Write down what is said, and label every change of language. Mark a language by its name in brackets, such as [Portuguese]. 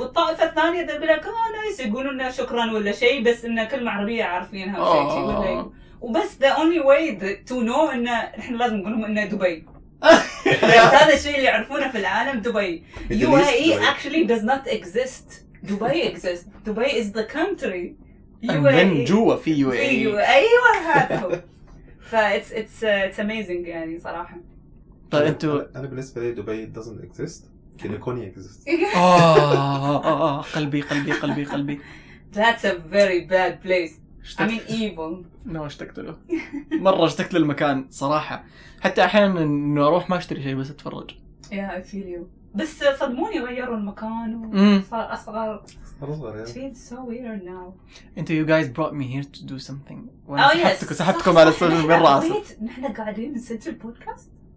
[Arabic] والطائفه الثانيه تقول لك اه نايس يقولوا لنا شكرا ولا شيء بس ان كلمه عربيه عارفينها شيء ولا شيء وبس [English] the only way to know [Arabic] ان احنا لازم نقول لهم ان دبي هذا الشيء اللي يعرفونه في العالم دبي [English] U A E actually does not exist Dubai exist Dubai is the country [Arabic] من جوا في يو اي ايوه هذا فا اتس اميزنج يعني صراحه طيب انتوا انا بالنسبه لي دبي [English] doesn't exist [Arabic] كاليفورنيا exist قلبي [English] that's a very bad place I mean evil [Arabic] no اشتقت له مره اشتقت للمكان صراحه حتى احيانا انه اروح ما اشتري شيء بس اتفرج [English] yeah I feel you [Arabic] بس صدموني غيروا المكان وصار اصغر [English] It's so weird now. And you guys brought me here to do something. Oh yes. I had to come out of social media. Wait, we're going to do a central podcast?